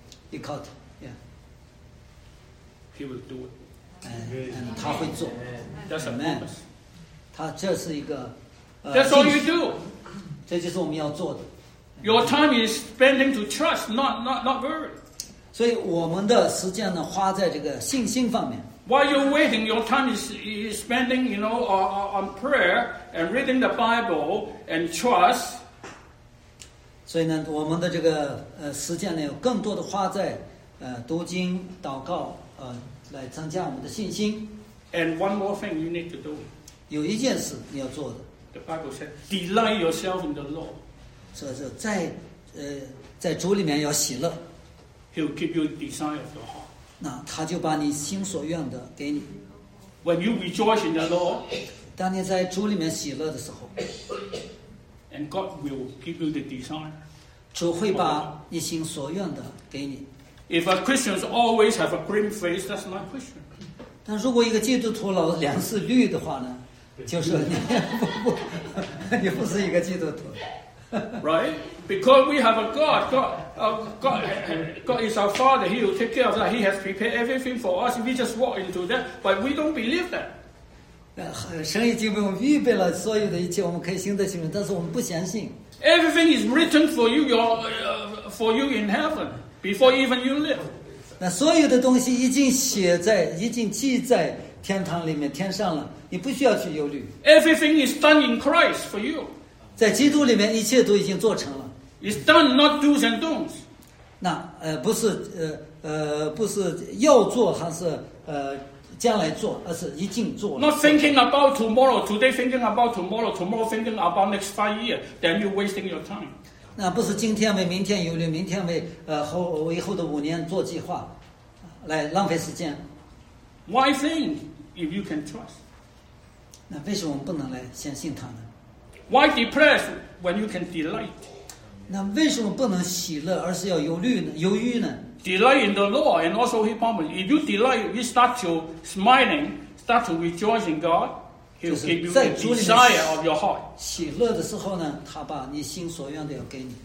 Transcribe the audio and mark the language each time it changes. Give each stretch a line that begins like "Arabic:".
Chinese: 依靠他。
English: He will do it.
Chinese: 嗯，他会做。
English: That's a promise.
Chinese: 他这是一个。
English: That's all you do.
Chinese: 这就是我们要做的。
English: Your time is spending to trust, not worry.
Chinese: 所以我们的时间呢，花在这个信心方面。
English: While you're waiting, your time is spending, you know, on prayer and reading the Bible and trust.
Chinese: 所以呢，我们的这个时间呢，有更多的花在读经、祷告。来增加我们的信心。
English: And one more thing you need to do.
Chinese: 有一件事你要做的。
English: The Bible said, delight yourself in the Lord.
Chinese: 所以在在主里面要喜乐。
English: He'll give you the desire of your heart.
Chinese: 那他就把你心所愿的给你。
English: When you rejoice in the Lord.
Chinese: 当你在主里面喜乐的时候。
English: And God will give you the desire.
Chinese: 主会把你心所愿的给你。
English: If a Christian always have a grim face, that's not Christian.
Chinese: 但如果一个基督徒老脸是绿的话呢，就是你不是一个基督徒。
English: Right? Because we have a God. God is our Father. He will take care of that. He has prepared everything for us. We just walk into that, but we don't believe that.
Chinese: 神已经为我们预备了所有的一切，我们可以行得行的，但是我们不相信。
English: Everything is written for you. For you in heaven. Before even you live,
Chinese: 那所有的东西已经写在，已经记在天堂里面，天上了，你不需要去忧虑。
English: Everything is done in Christ for you.
Chinese: 在基督里面，一切都已经做成了。
English: It's done, not do's and don'ts.
Chinese: 那不是不是要做还是将来做，而是已经做了。
English: Not thinking about tomorrow, today thinking about tomorrow, tomorrow thinking about next 5 years, then you're wasting your time.
Chinese: 那不是今天为明天忧虑，明天为以后的五年做计划，来浪费时间。
English: Why think if you can trust?
Chinese: 那为什么我们不能来相信他呢
English: ？Why depress when you can delight?
Chinese: 那为什么不能喜乐，而是要忧虑呢？忧郁呢
English: ？Delight in the Lord and also His promise. If you delight, you start to smiling, start to rejoice in God.
Chinese: 就是在主里面喜乐的时候呢，他把你心所愿的要给你。